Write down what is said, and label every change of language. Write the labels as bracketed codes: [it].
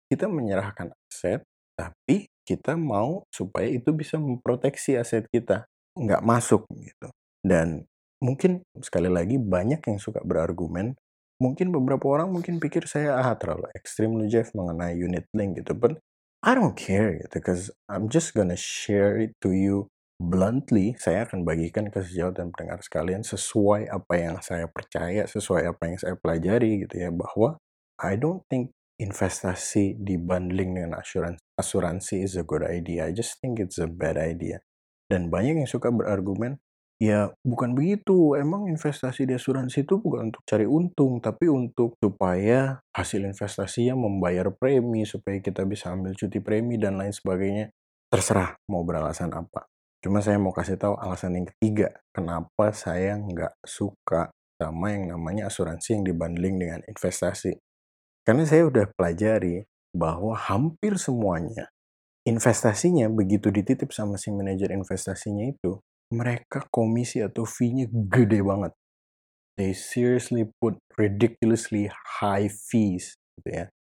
[id] Kita menyerahkan aset, tapi kita mau supaya itu bisa memproteksi aset kita. Nggak masuk gitu. Dan mungkin sekali lagi banyak yang suka berargumen, mungkin beberapa orang mungkin pikir saya terlalu ekstrim lu Jeff mengenai unit link gitu. [en] But I don't care [id] gitu, [en] because I'm just gonna share it to you bluntly. [id] Saya akan bagikan ke sejawat dan pendengar sekalian sesuai apa yang saya percaya, sesuai apa yang saya pelajari gitu ya, bahwa [en] I don't think [id] investasi dibundling dengan asuransi [en] is a good idea. I just think it's a bad idea. [id] Dan banyak yang suka berargumen, ya bukan begitu, emang investasi di asuransi itu bukan untuk cari untung, tapi untuk supaya hasil investasinya membayar premi, supaya kita bisa ambil cuti premi dan lain sebagainya. Terserah mau beralasan apa. Cuma saya mau kasih tahu alasan yang ketiga, kenapa saya nggak suka sama yang namanya asuransi yang dibanding dengan investasi. Karena saya udah pelajari bahwa hampir semuanya investasinya begitu dititip sama si manajer investasinya itu, mereka komisi atau fee-nya gede banget. [en] They seriously put ridiculously high fees, [id] gitu ya.